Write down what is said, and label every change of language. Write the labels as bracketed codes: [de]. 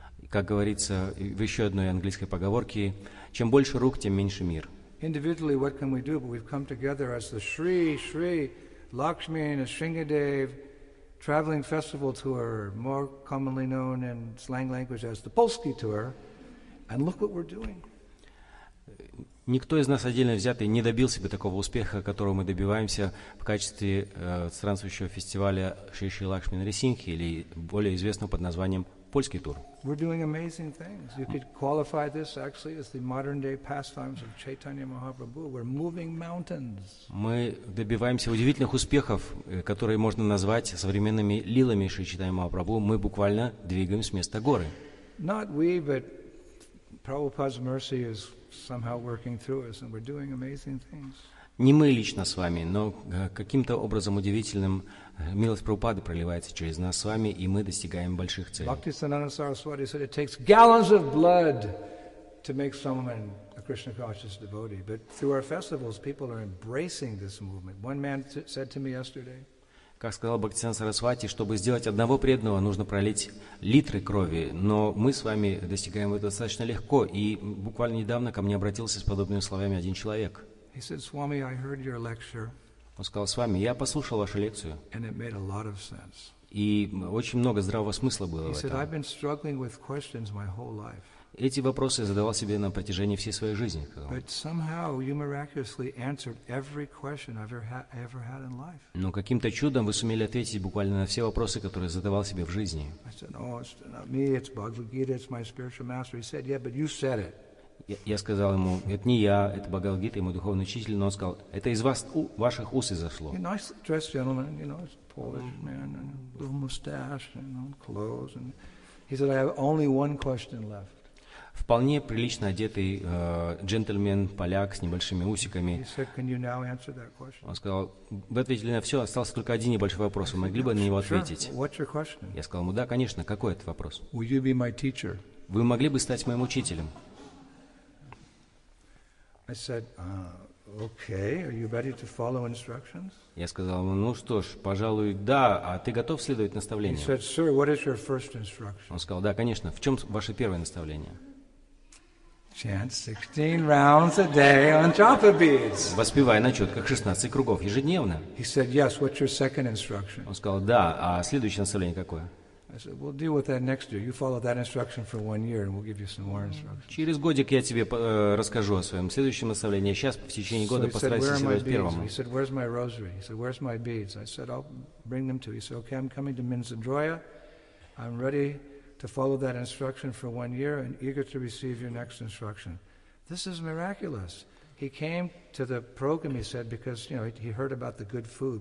[ru] Как говорится в еще одной английской поговорке, чем больше рук, тем меньше мир. [en] Individually, what can we do? But we've come together as the Shri, Shri, Lakshmi, and Sringadev traveling festival tour, more commonly known in slang language as the Polski tour, and look what we're doing. [ru] Никто из нас отдельно взятый не добился бы такого успеха, которого мы добиваемся в качестве странствующего фестиваля Шри Шри Лакшми Нарисингхи или более известного под названием Польский тур. [en] We're doing amazing things. You could qualify this actually as the modern day pastimes of Chaitanya Mahaprabhu. We're moving mountains. [ru] Мы добиваемся удивительных успехов, которые можно назвать современными лилами Шри Чайтанья Махапрабху. Мы буквально двигаем с места горы. [en] Not we, but Prabhupada's mercy is somehow working through us, and we're doing amazing things. [ru] Не мы лично с вами, но каким-то образом удивительным милость Прабхупады проливается через нас с вами, и мы достигаем больших целей. [en] Бхактисиддханта Сарасвати said it takes gallons of blood to make someone a Krishna conscious devotee, but through our festivals, people are embracing this movement. One man said to me yesterday. [ru] Как сказал Бхактисиддханта Сарасвати, чтобы сделать одного преданного, нужно пролить литры крови. Но мы с вами достигаем этого достаточно легко. И буквально недавно ко мне обратился с подобными словами один человек. [en] He said, Swami, I heard your lecture. [ru] Он сказал, Свами, я послушал вашу лекцию. [en] And it made a lot of sense. [ru] И очень много здравого смысла было [en] He [ru] в этом. [en] Said, I've been struggling with questions my whole life. [ru] Эти вопросы я задавал себе на протяжении всей своей жизни. [en] But somehow you miraculously answered every question I've ever had in life. [ru] Но каким-то чудом вы сумели ответить буквально на все вопросы, которые я задавал себе в жизни. [en] I said, no, it's not me, it's Bhagavad Gita, it's my spiritual master. He said, yeah, but you said it. [ru] Я сказал ему, это не я, это Бхагавад Гита, мой духовный учитель, но он сказал, это из вас, ваших уст изошло. [en] He's a nice dressed gentleman, you know, he's a Polish man, and a little mustache, and you know, clothes, and he said, I have only one question left. [ru] Вполне прилично одетый джентльмен, поляк с небольшими усиками. [en] Said, [ru] он сказал, вы ответили на все, остался только один небольшой вопрос, вы могли бы на него ответить? [en] Sure. [ru] Я сказал ему, да, конечно, какой это вопрос? [en] Will you be my teacher? [ru] Вы могли бы стать моим учителем? [en] I said, okay, are you ready to follow instructions? [ru] Я сказал ему, ну что ж, пожалуй, да, а ты готов следовать наставлению? [en] He said, sir, what is your first instruction? [ru] Он сказал, да, конечно, в чем ваше первое наставление? [en] Chant 16 rounds a day on Japa beads. [ru] Воспевай на четках 16 кругов ежедневно. [en] He said, yes, what's your second instruction? [ru] Он сказал, да, а следующее наставление какое? [en] I said, we'll deal with that next year. You follow that instruction for one year, and we'll give you some more instructions. [ru] Через годик я тебе расскажу о своем следующем наставлении. Сейчас в течение года постараюсь следовать первому. [en] He said, where's my rosary? He said, where's my beads? I said, I'll bring them to you. He said, okay, I'm coming to Minzandroya. I'm ready to follow that instruction for one year and eager to receive your next instruction. This is miraculous. He came to the program, he said, because, you know, he heard about the good food.